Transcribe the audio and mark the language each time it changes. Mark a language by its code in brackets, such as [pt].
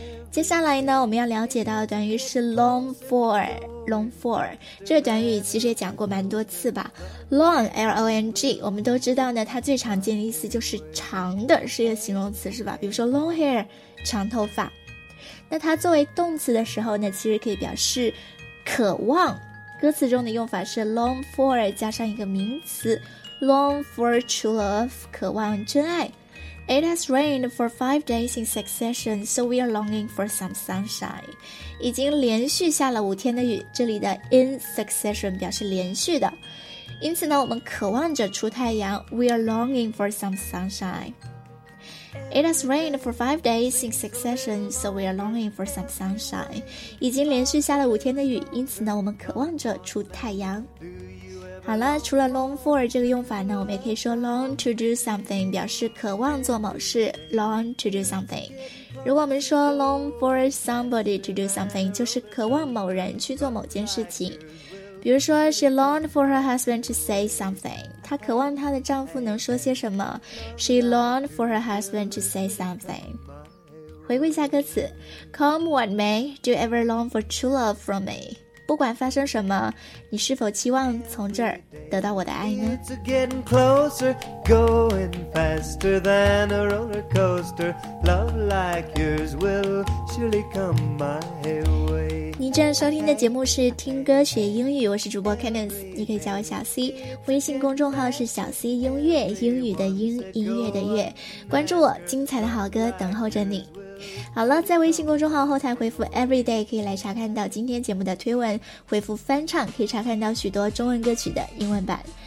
[zh] 接下来呢我们要了解到的短语是 long for long for 这个短语其实也讲过蛮多次吧 long L-O-N-G 我们都知道呢它最常见的意思就是长的是一个形容词是吧比如说 long hair 长头发那它作为动词的时候呢其实可以表示渴望歌词中的用法是 long for 加上一个名词 long for true love 渴望真爱。 [en] It has rained for 5 days in succession, so we are longing for some sunshine. [zh] 已经连续下了五天的雨，这里的 in succession 表示连续的，因此呢，我们渴望着出太阳， We are longing for some sunshine. [en] It has rained for 5 days in succession, so we are longing for some sunshine. 已经连续下了五天的雨，因此呢，我们渴望着出太阳。 [zh] 好了，除了 long for 这个用法呢，我们也可以说 long to do something 表示渴望做某事， long to do something。如果我们说 long for somebody to do something，就是渴望某人去做某件事情。比如说 She longed for her husband to say something，她渴望她的丈夫能说些什么。 [en] She longed for her husband to say something。回顾一下歌词， Come what may, do you ever long for true love from me？ [zh] 不管发生什么，你是否期望从这儿得到我的爱呢？ [en] It's getting closer, going faster than a roller coaster. Love like yours will surely come my way。 [zh] 您正在收听的节目是听歌学英语，我是主播 Candice， 你可以叫我小 C， 微信公众号是小 C 音乐，英语的英，音乐的乐，关注我，精彩的好歌等候着你。好了，在微信公众号后台回复 everyday 可以来查看到今天节目的推文，回复翻唱可以查看到许多中文歌曲的英文版。